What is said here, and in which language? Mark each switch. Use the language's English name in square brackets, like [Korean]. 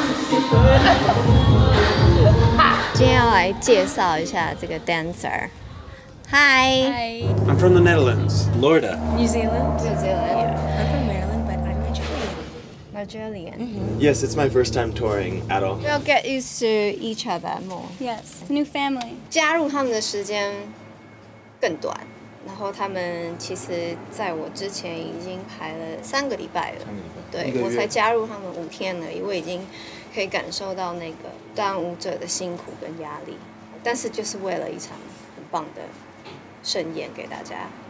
[Chinese] 今天要来介绍一下这个 dancer。 [English] Hi。 Hi。 I'm from the Netherlands, Florida. New Zealand. New Zealand. Nigerian. Mm-hmm. Yes, it's my first time touring at all. We'll get used to each other more. Yes, new family. [Chinese] 加入他们的时间更短，然后他们其实在我之前已经排了三个礼拜了。对，我才加入他们五天而已，我已经可以感受到那个当舞者的辛苦跟压力，但是就是为了一场很棒的盛宴给大家。